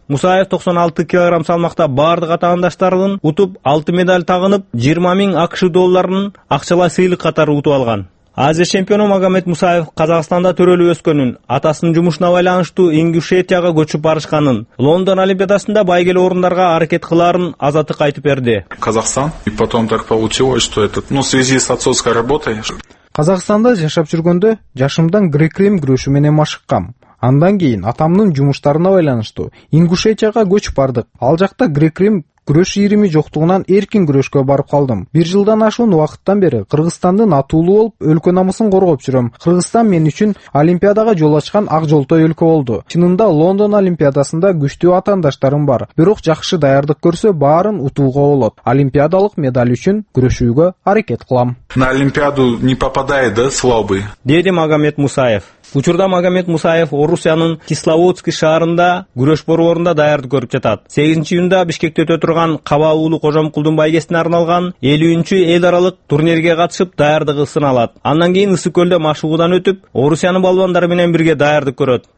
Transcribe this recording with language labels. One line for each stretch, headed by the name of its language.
Kyrgyz: Мусаев 96 кг салмакта баардык атаандаштарын утуп 6 медаль тагынып 20,000 АКШ долларын акчалай сыйлык катары утуп алган. Азия чемпиону Магомед Мусаев Казакстанда төрөлүп өскөнүн, атасынын жумушуна байланыштуу Ингушетияга көчүп барышканын, Лондон Олимпиадасында байгелүү орундарга аракет кылаарын Азаттык айтып берди.
Russian: Казахстан и потом так получилось, что это, ну, в связи с отцовской работой.
Kyrgyz: Казахстанда жашап жүргөндө жашымдан грек-рим күрөшү менен машыккам. Андан кийин атамдын жумуштарына байланыштуу Ингушетияга көчүп бардык. Ал жакта грек-рим күрөш ийрими жоктугунан эркин күрөшкө барып калдым. Бир жылдан ашуун убакыттан бери Кыргызстандын атуулуу болуп өлкө намысын коргоп жүрөм. Кыргызстан мен үчүн Олимпиадага жол ачкан ак жолтой өлкө болду. Чынында Лондон Олимпиадасында күчтүү атаандаштарым бар. Бирок жакшы даярдык көрсө баарын утууга болот. Олимпиадалык медаль үчүн күрөшүүгө аракет кылам.
Russian: На Олимпиаду не попадает, да, слабый?
Kyrgyz: Деди Магомед Мусаев. Учурда Магомед Мусаев Орусиянын Кисловодск шаарында күрөш борборунда даярдык көрүп жатат. 8 июнда Бишкекте өтө турган Каба уулу Кожомкулдун байгесине арналган 53 эл аралык турнирге катышып даярдыгы сыналат. Андан кийин Ысык-Көлдө машыгуудан өтүп, Орусиянын балбандары менен бирге даярдык көрөт.